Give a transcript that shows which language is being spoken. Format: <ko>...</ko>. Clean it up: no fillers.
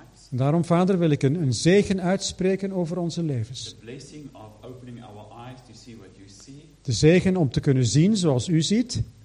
<nl>Daarom, Vader, wil ik een zegen uitspreken over onze levens.</nl> <en>The blessing of opening our eyes to see what you see.</en> <nl>De zegen om te kunnen zien zoals u ziet.</nl>